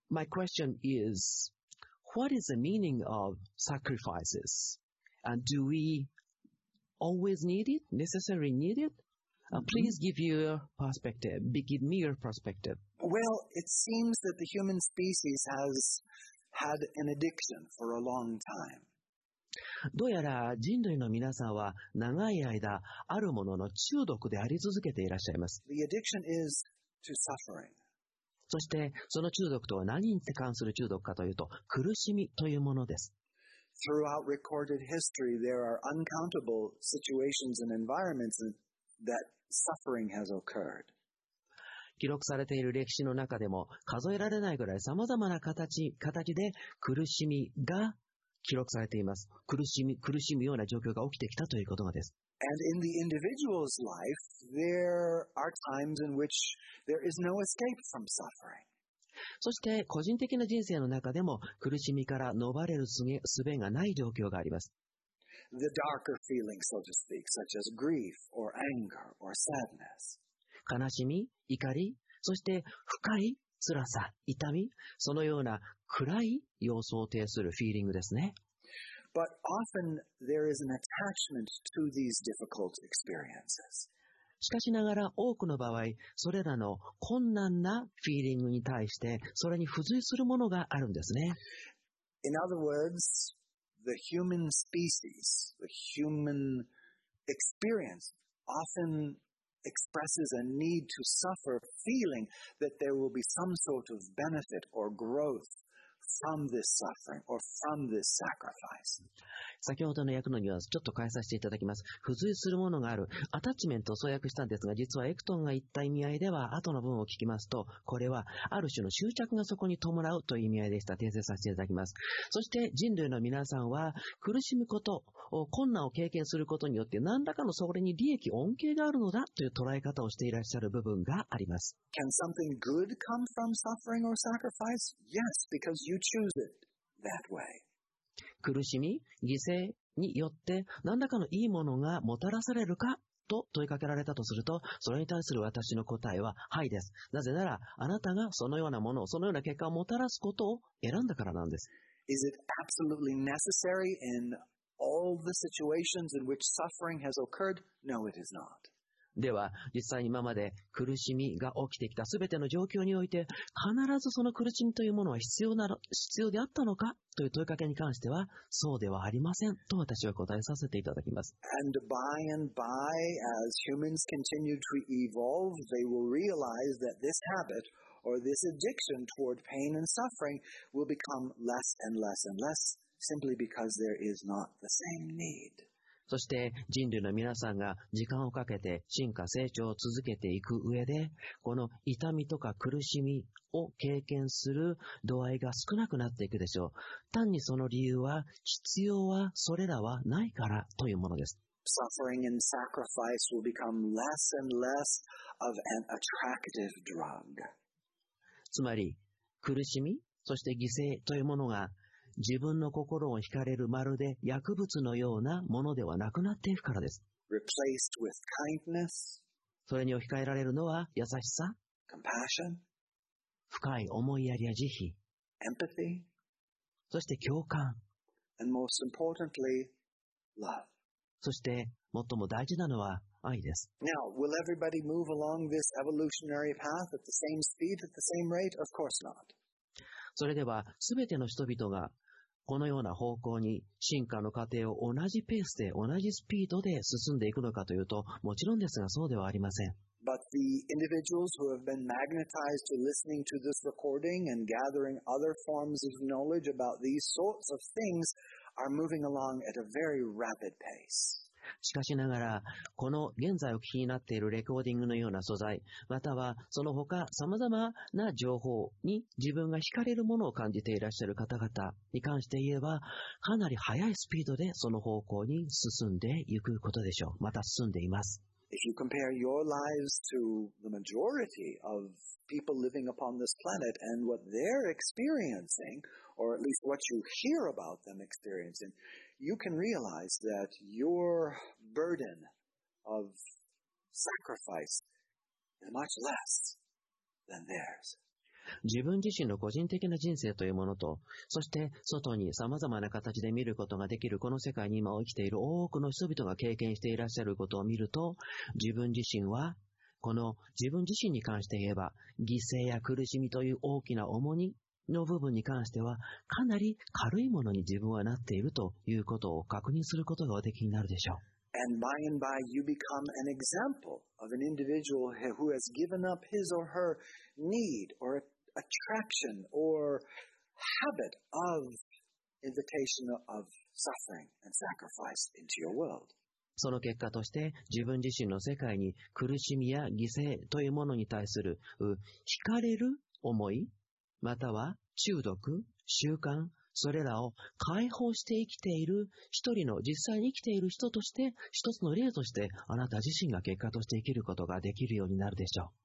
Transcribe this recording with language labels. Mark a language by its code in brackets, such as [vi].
[en] My question is, what is the meaning of sacrifices? And do we... Always need it? Necessary need it?、please give your perspective. Give me your perspective. Well, it seems that the human species has had an addiction for a long time. [ja] どうやら人類の皆さんは長い間あるものの中毒であり続けていらっしゃいます。 [en] The addiction is to suffering. [ja] そしてその中毒とは何に関する中毒かというと、苦しみというものです。 [en] Throughout recorded history, there are uncountable situations and environments that suffering has occurred. [ja] 記録されている歴史の中でも数えられないぐらい様々な形で苦しみが記録されています。苦しむような状況が起きてきたということがです。 [en] And in the individual's life, there are times in which there is no escape from suffering. [ja] そして個人的な人生の中でも苦しみから逃れる術がない状況があります。 [en] The darker feelings, so to speak, such as grief or anger or sadness. [ja] 悲しみ、怒り、そして深い辛さ、痛み、そのような暗い様相を呈するフィーリングですね。 [en] But often there is an attachment to these difficult experiences. [ja] しかしながら多くの場合、それらの困難なフィーリングに対して、それに付随するものがあるんですね。 [en] In other words, the human species, the human experience, often expresses a need to suffer, feeling that there will be some sort of benefit or growth. From this suffering or from this sacrifice. [ja] 先ほどの訳のニュアンスちょっと変えさせていただきます。付随するものがある、アタッチメントを総訳したんですが、実はエクトンが言った意味合いでは後の文を聞きますと、これはある種の執着がそこに伴うという意味合いでした。訂正させていただきます。そして人類の皆さんは苦しむことを、困難を経験することによって何らかのそれに利益、恩恵があるのだという捉え方をしていらっしゃる部分があります。 [en] Can something good come from suffering or sacrifice? Yes, because you choose it that way. [ja] 苦しみ、犠牲によって何らかのいいものがもたらされるかと問いかけられたとすると、それに対する私の答えははいです。なぜならあなたがそのようなものを、そのような結果をもたらすことを選んだからなんです。 [en] Is it absolutely necessary in all the situations in which suffering has occurred? No, it is not. [ja] では実際に今まで苦しみが起きてきたすべての状況において、必ずその苦しみというものは必要であったのかという問いかけに関しては、そうではありませんと私は答えさせていただきます。 [en] And by and by, as humans continue to evolve, they will realize that this habit or this addiction toward pain and suffering will become less and less and less simply because there is not the same need. [ja] そして人類の皆さんが時間をかけて進化、成長を続けていく上で、この痛みとか苦しみを経験する度合いが少なくなっていくでしょう。単にその理由は、必要はそれらはないからというものです。 [en] Suffering and sacrifice will become less and less of an attractive drug. [ja] つまり、苦しみ、そして犠牲というものが、自分の心を惹かれるまるで薬物のようなものではなくなっていくからです。 [en] Replaced with kindness, [ja] それに置き換えられるのは優しさ、 [en] compassion, [ja] 深い思いやりや慈悲、 [en] empathy, [ja] そして共感、 [en] and most importantly, love. [ja] そして最も大事なのは愛です。 [en] Now, will everybody move along this evolutionary path at the same speed, at the same rate? Of course not. [ja] それでは全ての人々がこのような方向に進化の過程を同じペースで同じスピードで進んでいくのかというと、もちろんですがそうではありません。 [en] But the individuals who have been magnetized to listening to this recording and gathering other forms of knowledge about these sorts of things are moving along at a very rapid pace. [ja] しかしながら、この現在お聞きになっているレコーディングのような素材、またはその他さまざまな情報に自分が惹かれるものを感じていらっしゃる方々に関して言えば、かなり速いスピードでその方向に進んでいくことでしょう。また進んでいます。 [en] If you compare your lives to the majority of people living upon this planet and what they're experiencing, or at least what you hear about them experiencing,You can realize that your burden of sacrifice is much less than theirs. [ja] 自分自身の個人的な人生というものと、そして外にさまざまな形で見ることができるこの世界に今生きている多くの人々が経験していらっしゃることを見ると、自分自身はこの自分自身に関して言えば、犠牲や苦しみという大きな重荷の部分に関してはかなり軽いものに自分はなっているということを確認することがおできになるでしょう。 [en] And by and by you become an example of an individual who has given up his or her need or attraction or habit of invitation of suffering and sacrifice into your world. [ja] その結果として自分自身の世界に苦しみや犠牲というものに対する惹かれる思い、または中毒、習慣、それらを解放して生きている一人の、実際に生きている人として、一つの例として、あなた自身が結果として生きることができるようになるでしょう。